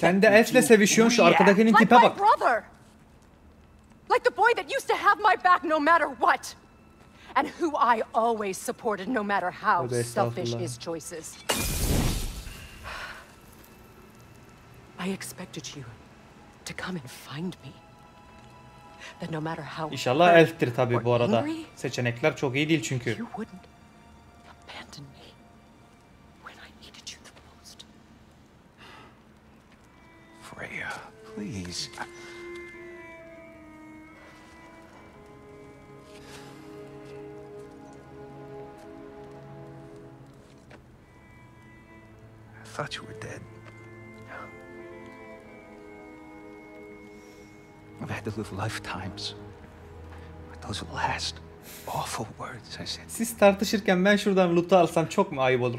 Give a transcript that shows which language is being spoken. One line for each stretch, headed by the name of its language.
Turkish: Sen de F'le sevişiyorsun, şu arkadakinin tipe bak.
English: Like my brother. Like the boy that used to have my back no matter what. And who I always supported no matter how selfish his choices. I expected you to come and find me. That no matter how
Turkish: İnşallah elftir tabii bu arada. Seçenekler çok iyi değil çünkü.
English: You wouldn't abandon me when I needed you the most. Freya, please. I thought you were dead. I've had to live lifetimes with those last awful words I said.
Turkish: Siz tartışırken ben şuradan loot'u alsam çok mu ayıp olur?